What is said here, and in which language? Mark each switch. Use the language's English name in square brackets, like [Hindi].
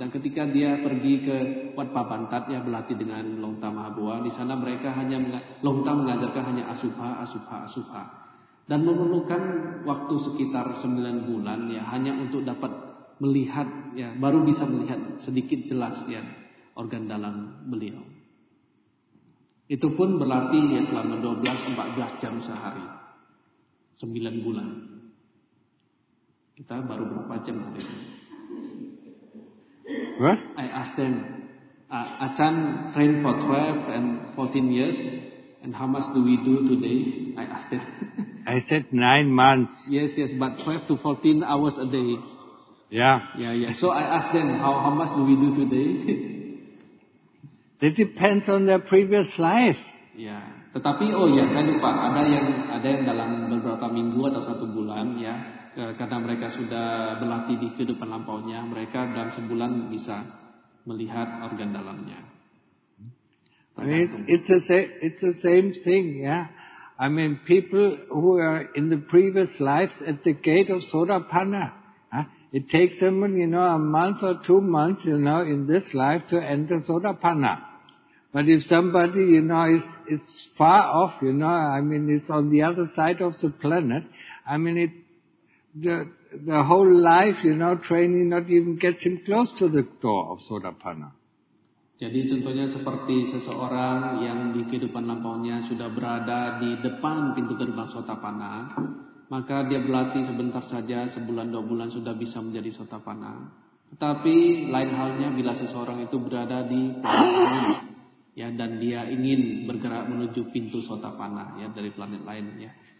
[Indonesian] Dan ketika dia pergi ke Wat Papantat ya berlatih dengan Longta Mahabua, di sana mereka hanya Longta mengajarkan hanya asupa dan memerlukan waktu sekitar 9 bulan ya hanya untuk dapat melihat ya baru bisa melihat sedikit jelas ya organ dalam beliau. Itu pun berlatih ya selama 12-14 jam sehari. 9 bulan. Kita baru berapa jam hari ini? [English] What? I asked them, Achan trained for 12 and 14 years and how much do we do today? I asked them. I said 9 months. Yes, but 12 to 14 hours a day. Yeah. So I asked them, how much do we do today? It depends on their previous life. Yeah. [Indonesian] Tetapi oh ya, saya lupa ada yang dalam beberapa minggu atau satu bulan ya, karena mereka sudah berlatih di kehidupan lampaunya, mereka dalam sebulan bisa melihat organ dalamnya. [English] It's the same thing, yeah. I mean, people who are in the previous lives at the gate of Sotapanna. It takes them, you know, a month or 2 months, you know, in this life to enter Sotapanna. But if somebody, you know, is far off, you know, I mean, it's on the other side of the planet. I mean, the whole life, you know, training not even gets him close to the door of Sotapanna. [Indonesian] Jadi contohnya seperti seseorang yang di kehidupan lampaunya sudah berada di depan pintu gerbang Sotapanna. maka dia berlatih sebentar saja, sebulan dua bulan sudah bisa menjadi sotapana. Tetapi lain halnya bila seseorang itu berada di planet ya, dan dia ingin bergerak menuju pintu sotapana ya dari planet lain ya.